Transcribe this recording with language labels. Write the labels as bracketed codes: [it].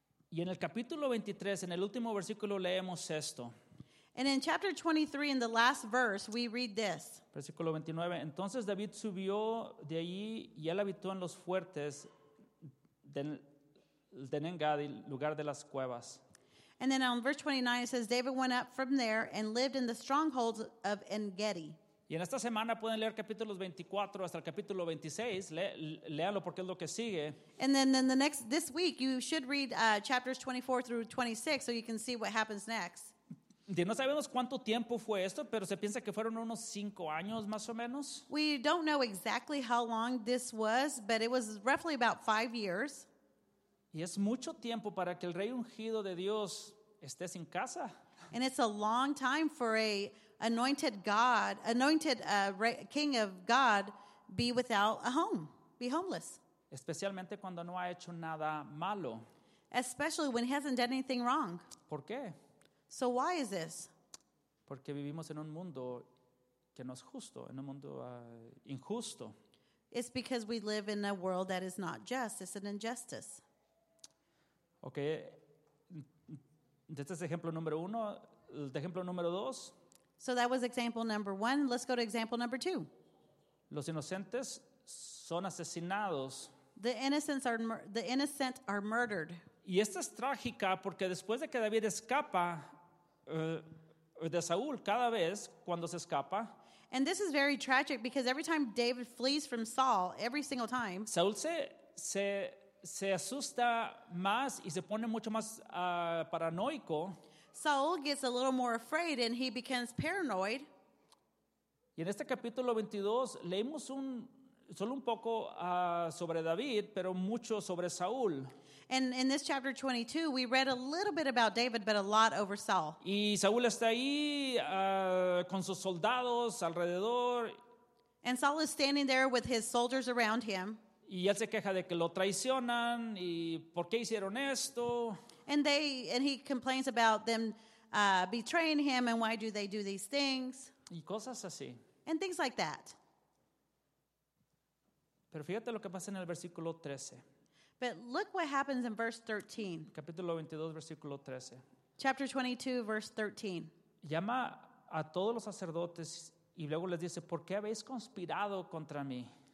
[es] Y en el capítulo 23, en el último versículo, leemos esto. [en] And in chapter 23, in the last verse, we read this. [es] Versículo 29. Entonces David subió de allí y él habitó en los fuertes de Engadi, lugar de las cuevas. [en] And then on verse 29, it says, David went up from there and lived in the strongholds of Engedi. [es] Y en esta semana pueden leer capítulos 24 hasta el capítulo 26. Léanlo porque es lo que sigue. [en] And then this week, you should read chapters 24 through 26 so you can see what happens next. [es] No sabemos cuánto tiempo fue esto, pero se piensa que fueron unos 5 años más o menos. [en] We don't know exactly how long this was, but it was roughly about 5 years. [es] Y es mucho tiempo para que el rey ungido de Dios esté sin casa. [en] And it's a long time for a anointed God, anointed king of God, be without a home, be homeless. [es] Especialmente cuando no ha hecho nada malo. [en] Especially when he hasn't done anything wrong. [es] ¿Por qué? [en] So why is this? [es] Porque vivimos en un mundo que no es justo, en un mundo injusto. [en] It's because we live in a world that is not just. It's an injustice. Okay. [es] Este es ejemplo número uno. Ejemplo número dos. [en] So that was example number one. Let's go to example number two. [es] Los inocentes son asesinados. [en] The innocent are murdered. [es] Y esta es trágica porque después de que David escapa de Saúl, cada vez cuando se escapa. [en] And this is very tragic because every time David flees from Saul, every single time. [es] Saúl se asusta más y se pone mucho más paranoico. [en] Saul gets a little more afraid and he becomes paranoid. [es] Y en este capítulo 22 leemos solo un poco sobre David, pero mucho sobre Saúl. [en] And in this chapter 22, we read a little bit about David, but a lot over Saul. [es] Y Saúl está ahí con sus soldados alrededor. [en] And Saul is standing there with his soldiers around him. [es] Y él se queja de que lo traicionan y por qué hicieron esto. [en] And he complains about them betraying him and why do they do these things. [es] Y cosas así. [en] And things like that. [es] Pero fíjate lo que pasa en el versículo 13. [en] But look what happens in verse 13. [es] Capítulo 22, versículo 13. [en] Chapter 22, verse 13. [es] Llama a todos los sacerdotes y luego les dice, ¿por qué habéis conspirado contra mí?